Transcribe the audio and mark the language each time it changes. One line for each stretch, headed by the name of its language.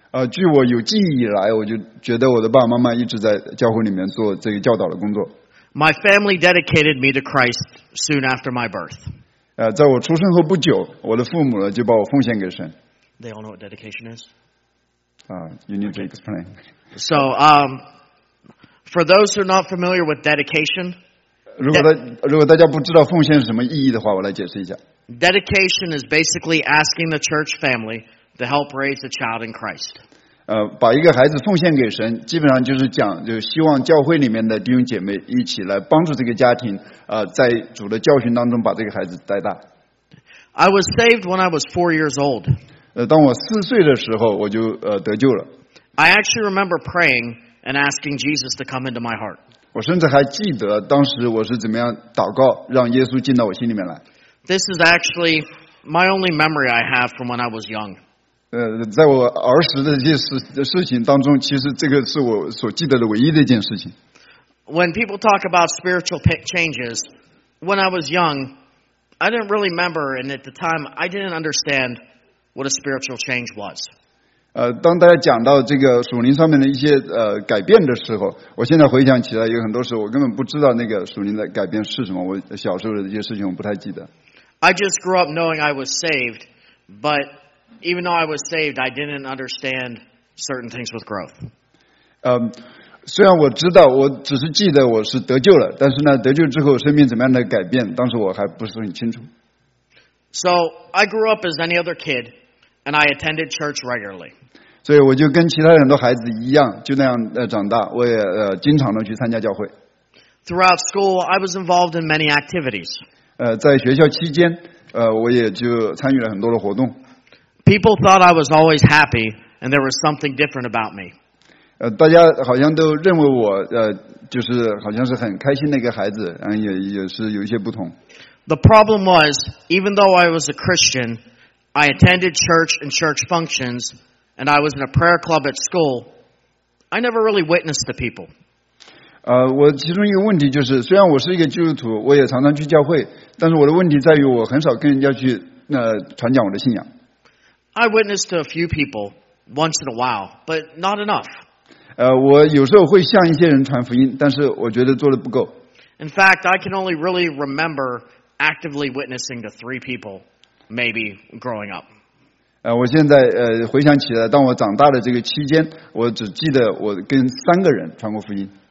Chinese: 据我有记忆以来，我就觉得我的爸爸妈妈一直在教会里面做这个教导的工作。
English: My family dedicated me to Christ soon after my birth.
Chinese: 在我出生后不久，我的父母呢就把我奉献给神。
English: They all know what dedication is. You need to explain. So, For those who are not familiar with dedication,
Chinese: 如果大家不知道奉献是什么意义的话，我来解释一下。
English: Dedication is basically asking the church family to help raise a child in Christ.
Chinese: 把一个孩子奉献给神，基本上就是讲，就希望教会里面的弟兄姐妹一起来帮助这个家庭，在主的教训当中把这个孩子带大。
English: I was saved when I was 4 years old.
Chinese: 当我四岁的时候，我就得救了。
English: I actually remember praying. And asking Jesus to come into my heart.
Chinese: 我甚至还记得当时我是怎么样祷告，让耶稣进到我心里面来。
English: This is actually my only memory I have from when I was young.
Chinese: 在我儿时的这些事情当中，其实这个是我所记得的唯一的一件事情。
English: When people talk about spiritual changes, when I was young, I didn't really remember, and at the time, I didn't understand what a spiritual change was.
Chinese: 当大家讲到这个属灵上面的一些改变的时候，我现在回想起来，有很多时候我根本不知道那个属灵的改变是什么。我小时候的一些事情我不太记得。
English: I just grew up knowing I was saved, but even though I was saved, I didn't understand certain things with growth.
Chinese: 虽然我知道，我只是记得我是得救了，但是呢，得救之后生命怎么样的改变，当时我还不是很清楚。
English: So I grew up as any other kid. And I attended church regularly.
Chinese: 所以我就跟其他很多孩子一样，就那样长大。我也经常的去参加教会。
English: Throughout school, I was involved in many activities.
Chinese: 在学校期间，我也就参与了很多的活动。
English: People thought I was always happy, and there was something different about me.
Chinese: 大家好像都认为我就是好像是很开心的一个孩子，也是有一些不同。
English: The problem was, even though I was a Christian, I attended church and church functions, and I was in a prayer club at school, I never really witnessed the people.
Chinese: 我其中一个问题就是，虽然我是一个基督徒，我也常常去教会，但是我的问题在于我很少跟人家去传讲我的信仰。
English: I witnessed to a few people once in a while, but not enough.
Chinese: 我有时候会向一些人传福音，但是我觉得做得不够。
English: In fact, I can only really remember actively witnessing to 3 people, maybe growing up.
Chinese: 我现在回想起来，当我长大的这个期间，我只记得我跟三个人传过福音。